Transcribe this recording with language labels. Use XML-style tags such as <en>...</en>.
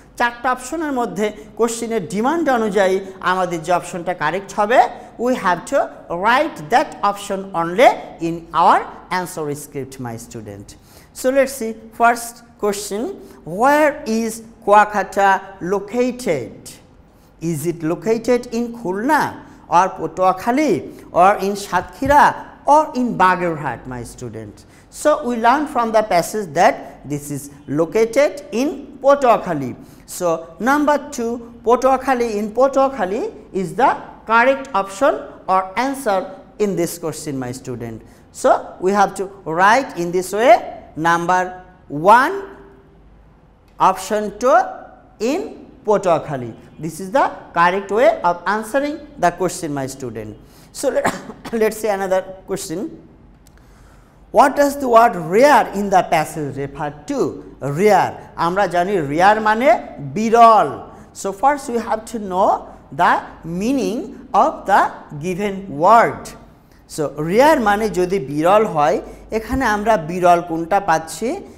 <bn>চারটা অপশনের মধ্যে কোশ্চেনের ডিমান্ড অনুযায়ী আমাদের যে অপশনটা কারেক্ট হবে,</bn> <en>We have to write that option only in our answer script my student. So let's see first question, where is Kuakata located? Is it located in Khulna or Patuakhali or in Satkhira or in Bagerhat my student? So we learn from the passage that this is located in Potuakhali. So number 2, Potuakhali, in Potuakhali is the correct option or answer in this question my student. So we have to write in this way, number 1, option 2, in Potuakhali. This is the correct way of answering the question my student. So let's see another question. What does the word rare in the passage refer to?</en> <bn>Rare, আমরা জানি rare মানে বিরল।</bn> <en>So first we have to know the meaning of the given word.</en> <bn>So rare মানে যদি বিরল হয়, এখানে আমরা বিরল কোনটা পাচ্ছি?</bn>